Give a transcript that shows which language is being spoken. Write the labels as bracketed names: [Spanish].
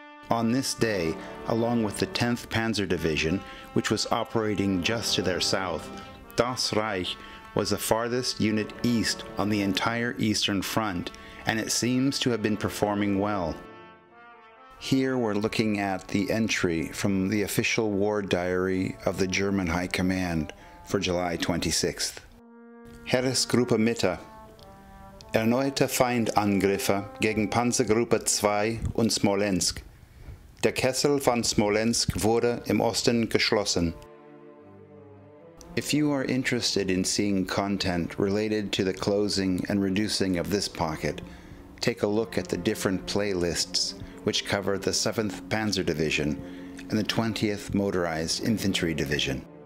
[English] On this day, along with the 10th Panzer Division, which was operating just to their south, Das Reich was the farthest unit east on the entire Eastern Front, and it seems to have been performing well. Here we're looking at the entry from the official war diary of the German High Command for July 26th. [German] Heeresgruppe Mitte. Erneute Feindangriffe gegen Panzergruppe 2 und Smolensk. Der Kessel von Smolensk wurde im Osten geschlossen. [English] If you are interested in seeing content related to the closing and reducing of this pocket, take a look at the different playlists which cover the 7th Panzer Division and the 20th Motorized Infantry Division.